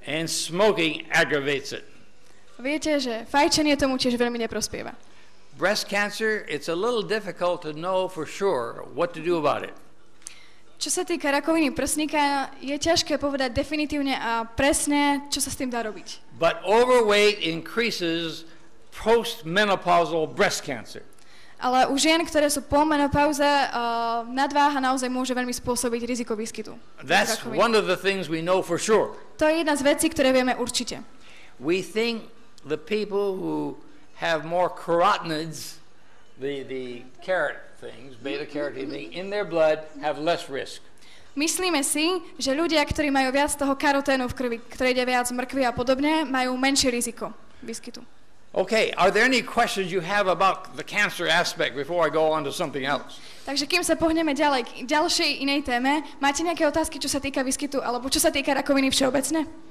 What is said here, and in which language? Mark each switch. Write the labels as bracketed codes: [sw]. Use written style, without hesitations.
[en] And smoking aggravates it. [sk] Viete, že fajčenie tomu tiež veľmi neprospieva. [en] Breast cancer, it's a little difficult to know for sure what to do about it. [sk] Čo sa týka rakoviny prsníka, je ťažké povedať definitívne a presne, čo sa s tým dá robiť. [en] But overweight increases postmenopausal breast cancer. [sk] Ale u žien, ktoré sú po menopauze, nadváha naozaj môže veľmi spôsobiť riziko výskytu. [en] That's one of the things we know for sure. [sk] To je jedna z vecí, ktoré vieme určite. [en] We think the people who have more carotenoids, the carrot things, beta carotene in their blood have less risk. [sk] Myslíme si, že ľudia, ktorí majú viac toho karoténu v krvi, ktoré ide viac mrkvy a podobne, majú menšie riziko výskytu. [en] Okay, are there any questions you have about the cancer aspect before I go on to something else? [sk] Takže kým sa pohneme ďalej k ďalšej inej téme, máte nejaké otázky, čo sa týka výskytu alebo čo sa týka rakoviny všeobecne?